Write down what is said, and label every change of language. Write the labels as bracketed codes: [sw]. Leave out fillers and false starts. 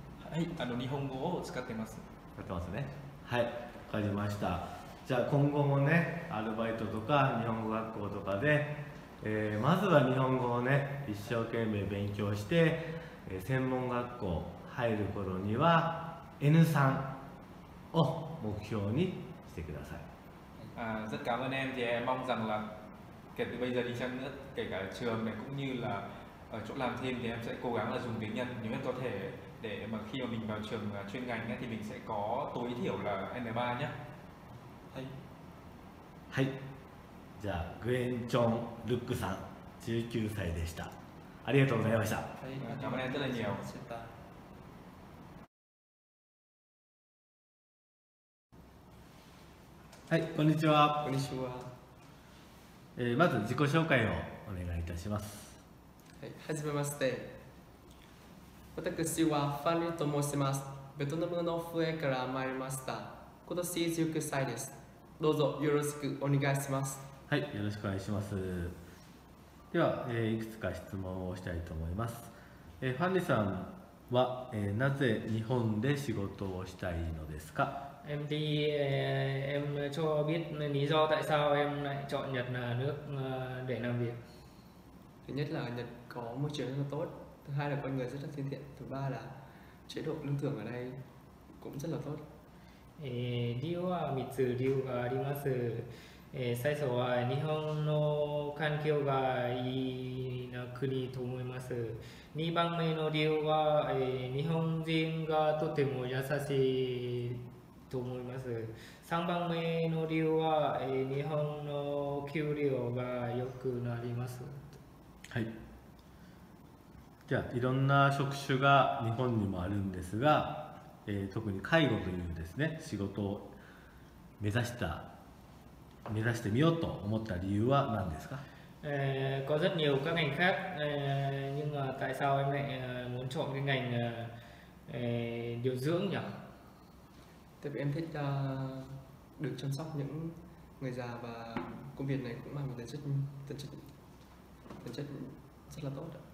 [vi] Hay nhiều hơn cô ở Chukate Iman. Chukate Iman nhé. Hay, [ja] 分かりました。じゃあ今後もね、アルバイトとか日本語学校とかで、まずは日本語をね一生懸命勉強して、専門学校入る頃には N3 を目標にしてください。 [vi] rất cảm ơn em thì em mong rằng là kể từ bây giờ đi chăng nữa kể cả trường này cũng như là ở chỗ làm thêm thì em sẽ cố gắng là dùng tiếng Nhật nhiều nhất có thể để mà khi mà mình vào trường chuyên ngành ấy, thì mình sẽ có tối thiểu là N3 nhé. Hay. Hay. [ja] じゃあ、グエンチョン・ルックさん、19歳でした。ありがとうございました。はい、頑張ってね、よ。はい、こんにちは。こんにちは。まず自己紹介をお願いいたします。はい、はじめまして、私はファンリと申します。ベトナムの府営から参りました。今年19歳です。どうぞよろしくお願いします。はい、よろしくお願いします。では、いくつか質問をしたいと思います。ファンリさんは、なぜ日本で仕事をしたいのですか？ [vi] Em đi, em cho biết lý do tại sao em lại chọn Nhật là nước để làm việc. Thứ nhất là Nhật có môi trường rất là tốt. Thứ hai là con người rất là thân thiện. Thứ ba là chế độ lương thưởng ở đây cũng rất là tốt. [ja] 理由は3つ理由があります。最初は日本の環境がいいな国と思います。 2番目の理由は日本人がとても優しいと思います。 3番目の理由は、日本の給料が良くなります。はい。じゃあ、いろんな職種が日本にもあるんですが、特に介護というですね、仕事を目指してみようと思った理由は何ですか？ [vi] có rất nhiều các ngành khác, nhưng mà tại sao em lại muốn chọn cái ngành điều dưỡng nhỉ? Tại vì em thích được chăm sóc những người già và công việc này cũng mang một tính chất rất là tốt.